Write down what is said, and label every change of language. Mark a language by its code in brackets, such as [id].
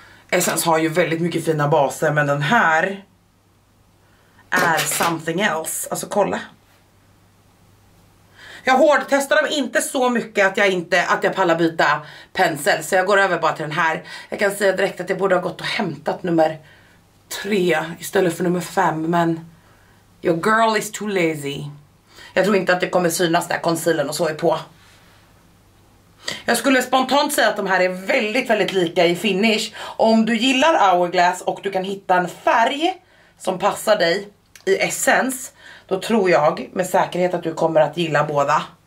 [sv] Essence har ju väldigt mycket fina baser, men den här är [en] something else. [sv] Alltså kolla. Jag hårdtestar dem inte så mycket att jag inte, att jag pallar byta pensel. Så jag går över bara till den här. Jag kan säga direkt att jag borde ha gått och hämtat nummer 3 istället för nummer 5. [en] Men your girl is too lazy. [sv] Jag tror inte att det kommer synas när concealern och så är på. Jag skulle spontant säga att de här är väldigt, väldigt lika i finish. Om du gillar Hourglass och du kan hitta en färg som passar dig i Essence, då tror jag med säkerhet att du kommer att gilla båda.